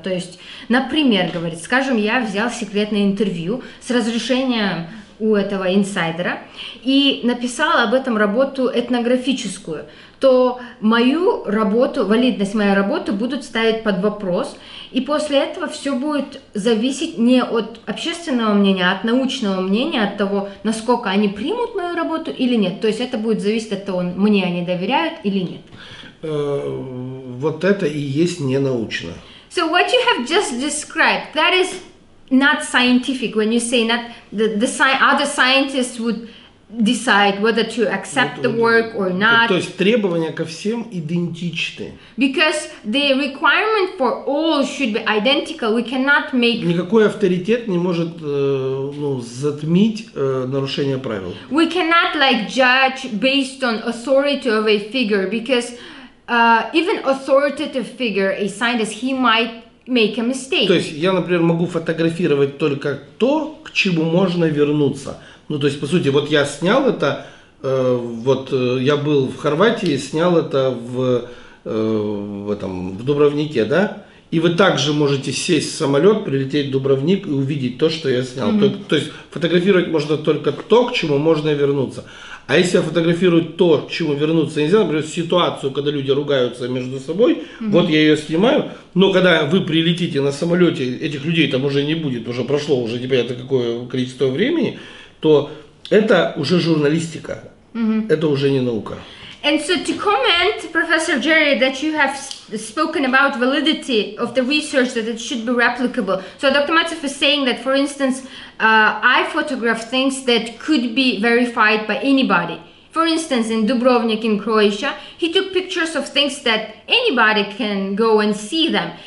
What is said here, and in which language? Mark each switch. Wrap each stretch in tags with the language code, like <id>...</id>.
<ru>То есть, например, говорит, скажем, я взял секретное интервью с разрешением у этого инсайдера и написал об этом работу этнографическую, то мою работу, валидность моей работы будут ставить под вопрос, и после этого все будет зависеть не от общественного мнения, а от научного мнения, от того, насколько они примут мою работу или нет. То есть это будет зависеть от того, мне они доверяют или нет. Вот это и есть ненаучно.</ru> <en>So what you have just described, that is not scientific when you say that other scientists would decide whether to accept the work or not.</en> <ru>То есть требования ко всем идентичны.</ru> <en>Because the requirement for all should be identical. We cannot make</en> <ru>никакой авторитет не может ну, затмить нарушение правил.</ru> <en>We cannot like judge based on authority of a figure because even authoritative figure, a scientist, he might make a mistake.</en> <ru>То есть я, например, могу фотографировать только то, к чему можно вернуться. Ну, то есть, по сути, вот я снял это, вот я был в Хорватии, снял это в этом в Дубровнике, да? И вы также можете сесть в самолет, прилететь в Дубровник и увидеть то, что я снял. Mm-hmm. То есть фотографировать можно только то, к чему можно вернуться. А если я фотографирую то, к чему вернуться нельзя, например, ситуацию, когда люди ругаются между собой, mm-hmm. вот я ее снимаю, но когда вы прилетите на самолете, этих людей там уже не будет, уже прошло уже теперь это какое количество времени, то это уже журналистика, mm-hmm. это уже не наука.</ru> <en>And so to comment, Professor Jerry, that you have spoken about validity of the research, that it should be replicable. So Dr. Matsev is saying that, for instance, I photograph things that could be verified by anybody. For instance, in Dubrovnik in Croatia, he took pictures of things that anybody can go and see them.</en>